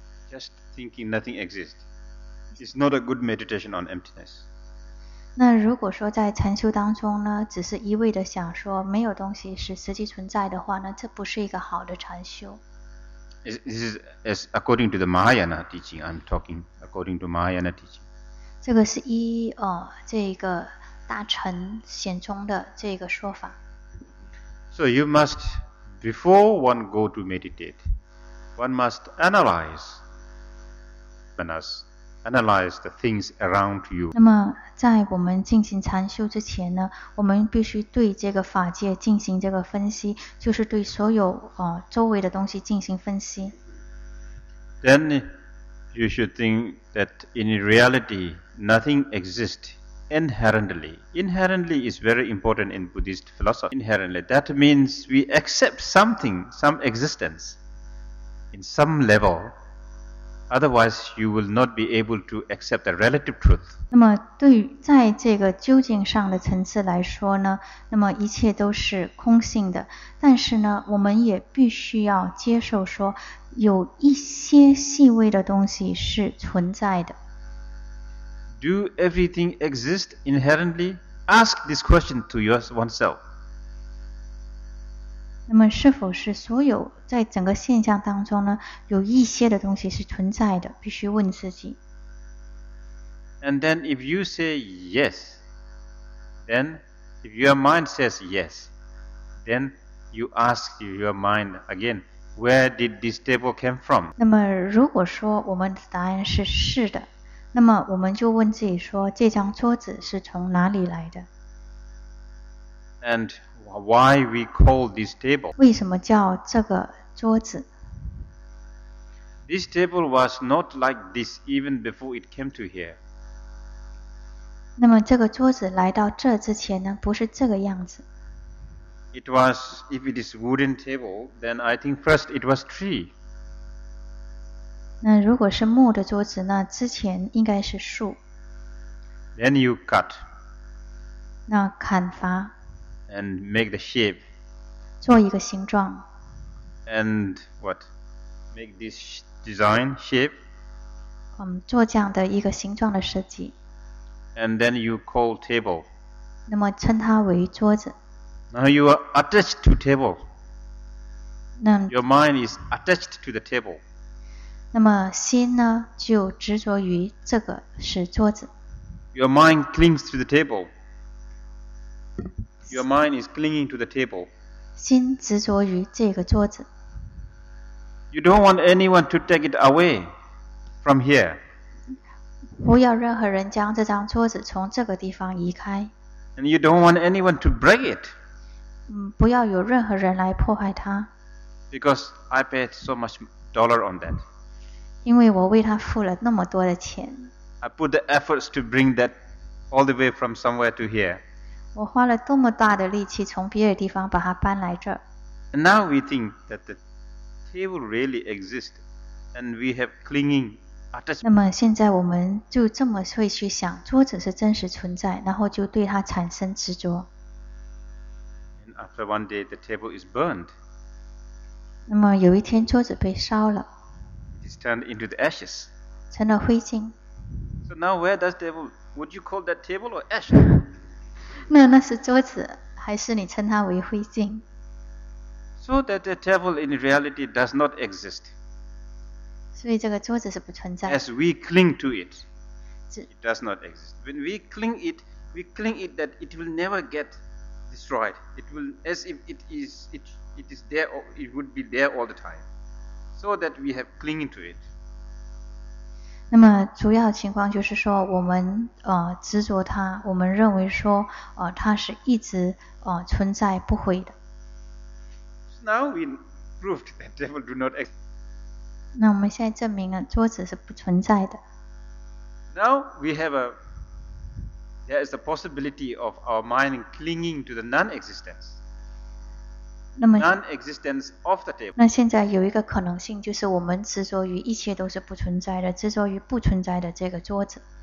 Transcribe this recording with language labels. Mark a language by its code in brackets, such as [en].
[en] Just thinking nothing exists. It's not a good meditation on emptiness. [zh] 那如果说在禅修当中呢，只是一味的想说没有东西是实际存在的话呢，这不是一个好的禅修。 [en] This is as according to the Mahayana teaching. I'm talking according to Mahayana teaching. [zh] 这个是这个大乘显宗的这个说法。 [en] So you must before one go to meditate, one must analyze manas, analyze the things around you. [zh] 那么在我们进行禅修之前呢，我们必须对这个法界进行这个分析，就是对所有周围的东西进行分析。 [en] Then you should think that in reality, nothing exists inherently. Inherently is very important in Buddhist philosophy. Inherently, that means we accept something, some existence, in some level. Otherwise, you will not be able to accept the relative truth. [zh] 那么对于在这个究竟上的层次来说呢，那么一切都是空性的。但是呢，我们也必须要接受说有一些细微的东西是存在的。 [en] Do everything exist inherently? Ask this question to yourself. [zh] 那么是否是所有在整个现象当中呢，有一些的东西是存在的，必须问自己。 [en] And then if you say yes, then if your mind says yes, then you ask your mind again,Where did this table come from? [zh] 那么如果说我们的答案是是的，那么我们就问自己说，这张桌子是从哪里来的？ [en] And why we call this table? [zh] 为什么叫这个桌子？ [en] This table was not like this even before it came to here. [zh] 那么这个桌子来到这之前呢，不是这个样子。 [en] It was, if it is wooden table, then I think first it was tree. [zh] 那如果是木的桌子，那之前应该是树。 [en] Then you cut. [zh] 那砍伐。 [en] And make the shape. [zh] 做一个形状。 [en] And what? Make this design, shape. [zh] 做这样的一个形状的设计。 [en] And then you call table. [zh] 那么称它为桌子。 [en] Now you are attached to table. Your mind is attached to the table. [zh] 那么心呢，就执着于这个是桌子。 [en] Your mind clings to the table. Your mind is clinging to the table. [zh] 心执着于这个桌子。 [en] You don't want anyone to take it away from here. [zh] 不要任何人将这张桌子从这个地方移开。 [en] And you don't want anyone to break it. [zh] 不要有任何人来破坏它。 [en] Because I paid so much dollar on that. [zh] 因为我为它付了那么多的钱。 [en] I put the efforts to bring that all the way from somewhere to here. [zh] 我花了多么大的力气从别的地方把它搬来这儿。 [en] And now we think that the table really exists, and we have clinging attachment. [zh] 那么现在我们就这么会去想，桌子是真实存在，然后就对它产生执着。 [en] After one day, the table is burned. [zh] 那么有一天桌子被烧了。 [en] It's turned into the ashes. [zh] 成了灰烬。 [en] So now where does table, would you call that table or ash? [zh] 那是桌子，还是你称它为灰烬？ [en] So that the table in reality does not exist. [zh] 所以这个桌子是不存在。 [en] As we cling to it, it does not exist. When we cling it that it will never get destroyed. It will, as if it is, it is there, or it would be there all the time. So that we have clinging to it. [zh] 那么主要情况就是说，我们执着它，我们认为说它是一直存在不毁的。 [en] So now we proved that devil do not exist. [zh] 那我们现在证明了桌子是不存在的。 [en] Now we have a. There is the possibility of our mind clinging to the non-existence. [zh] 那么 [en] non-existence of the table. [zh] 那现在有一个可能性，就是我们执着于一切都是不存在的，执着于不存在的这个桌子。